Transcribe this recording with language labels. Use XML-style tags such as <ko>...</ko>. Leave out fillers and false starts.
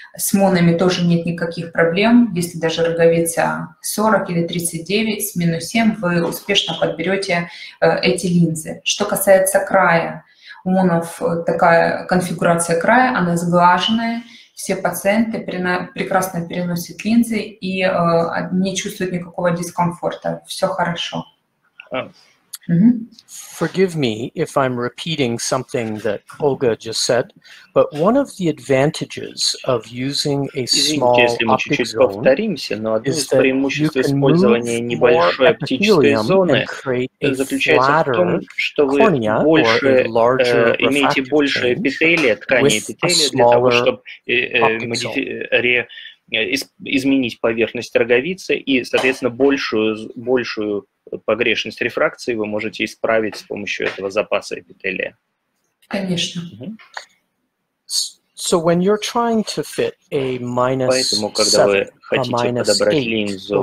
<ru>С монами тоже нет никаких проблем. Если даже роговица 40 или 39 с минус 7, вы успешно подберете эти линзы. Что касается края, у монов такая конфигурация края, она сглаженная. Все пациенты прекрасно переносят линзы и не чувствуют никакого дискомфорта. Все хорошо.</ru> <en>Forgive me if I'm repeating something that Olga just said, but one of the advantages of using a small optic zone is that you can move more epithelium and create a flatter cornea or a larger refractive range with a smaller optic zone.</en> <ru>Изменить поверхность роговицы и, соответственно, большую погрешность рефракции вы можете исправить с помощью этого запаса эпителия. Конечно.</ru> <en>So when you're trying to fit a minus 7,</en> <ru>поэтому, когда вы хотите подобрать линзу</ru>